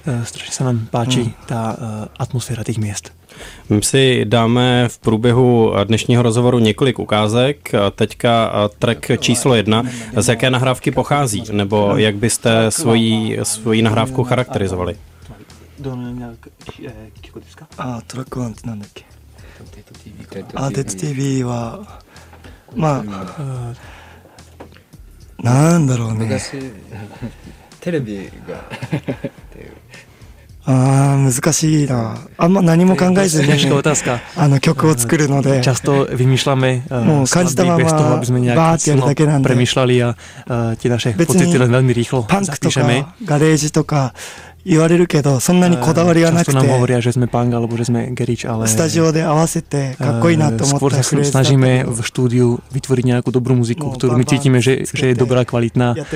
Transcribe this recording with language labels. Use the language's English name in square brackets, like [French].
[Slovak] Strašne sa nám páči tá atmosféra tých miest. [Czech] My si dáme v průběhu dnešního rozhovoru několik ukázek. Teďka track číslo 1. Z jaké nahrávky pochází? Nebo jak byste svoji nahrávku charakterizovali? [Japanese] トラックワンってなんだっけ？あ、デッド TV は、まあ、なんだろうね。テレビが、ああ難しいな。あんま何も考えずに、あの曲を作るので、ちゃんとヴィミシュラメ、もう感じたままバーってやるだけなんで、別にパンクとかガレージとか。言われるけど、そんなにこだわりはなくて。 [Slovak] často nám hovoria, že [Czech] jsme [Slovak] punk, alebo že jsme garage, ale [Japanese] スタジオで合わせてかっこいいなと思ったフレーズだったの。 [Slovak] snažíme v štúdiu vytvoriť nejakú dobrú muziku, ktorú my cítime, že je dobrá, kvalitná.